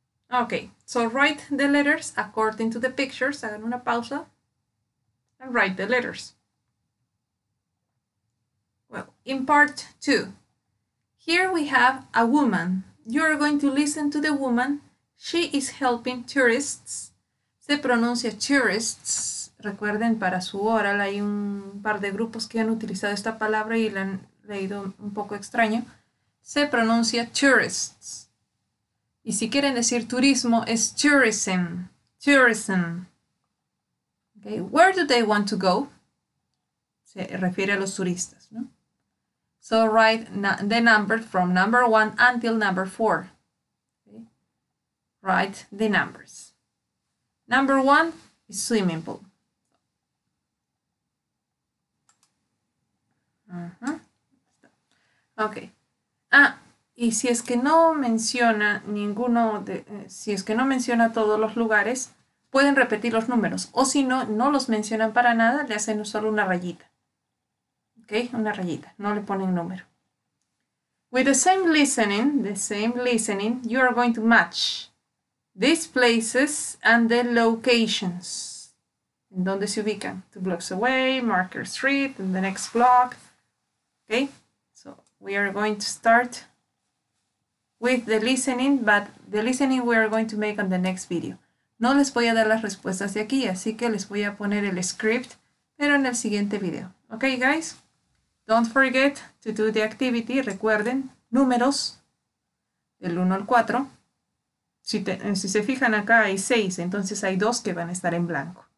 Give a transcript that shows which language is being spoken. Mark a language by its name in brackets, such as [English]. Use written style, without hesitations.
[English] Okay, so write the letters according to the pictures. [Spanish] Hagan una pausa [English] and write the letters. Well, in part two, here we have a woman. You are going to listen to the woman. She is helping tourists. [Spanish] Se pronuncia [English] tourists. [Spanish] Recuerden, para su oral hay un par de grupos que han utilizado esta palabra y la han leído un poco extraño. Se pronuncia tourists. Y si quieren decir turismo, es tourism. Tourism. Okay. [English] Where do they want to go? [Spanish] Se refiere a los turistas, ¿no? [English] So write the number from number one until number four. Okay. Write the numbers. Number one is swimming pool. Okay. [Spanish] Ah, y si es que no menciona ninguno de, si es que no menciona todos los lugares, pueden repetir los números. O si no, no los mencionan para nada, le hacen solo una rayita. Ok, una rayita, no le ponen número. [English] With the same listening, you are going to match these places and the locations. [Spanish] ¿En dónde se ubican? [English] Two blocks away, Marker Street, and the next block. Ok, so we are going to start with the listening, but the listening we are going to make on the next video. [Spanish] No les voy a dar las respuestas de aquí, así que les voy a poner el script, pero en el siguiente video. [English] Ok, guys. Don't forget to do the activity. [Spanish] Recuerden, números del 1 al 4. Si se fijan acá hay 6, entonces hay 2 que van a estar en blanco.